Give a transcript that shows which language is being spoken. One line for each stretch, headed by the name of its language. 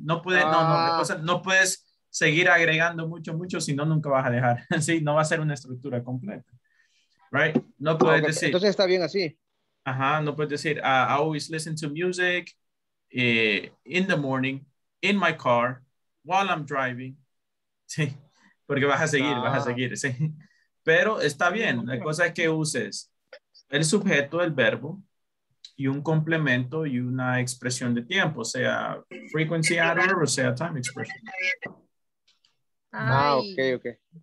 Spanish: No puedes seguir agregando mucho, si no, nunca vas a dejar, ¿sí? No va a ser una estructura completa, right? No puedes decir. Entonces está bien así.
English: Ajá,
Spanish: no puedes decir,
English: I always listen to music in the morning, in my car, while I'm driving.
Spanish: Sí, porque vas a seguir, sí. Pero está bien, la cosa es que uses el sujeto, el verbo, y un complemento y una expresión de tiempo, sea frequency adverb o sea time expression. Ah, okay, okay.